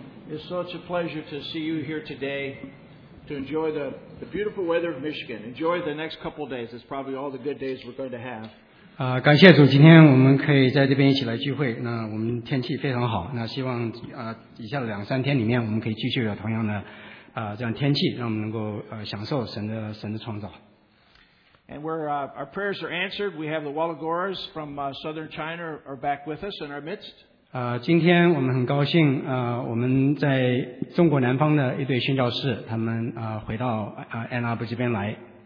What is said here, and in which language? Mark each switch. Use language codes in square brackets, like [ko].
[en] It's such a pleasure to see you here today to enjoy the beautiful weather of Michigan. Enjoy the next couple of days. It's probably all the good days we're going to have. [zh] 感谢主，今天我们可以在这边一起来聚会。那我们天气非常好，那希望以下的两三天里面，我们可以继续有同样的这样天气，让我们能够享受神的创造。 [en] And we're, our prayers are answered. We have the Walagoras from southern China are back with us in our midst. [zh] 今天我们很高兴我们在中国南方的一对宣教士，他们回到安娜布这边来。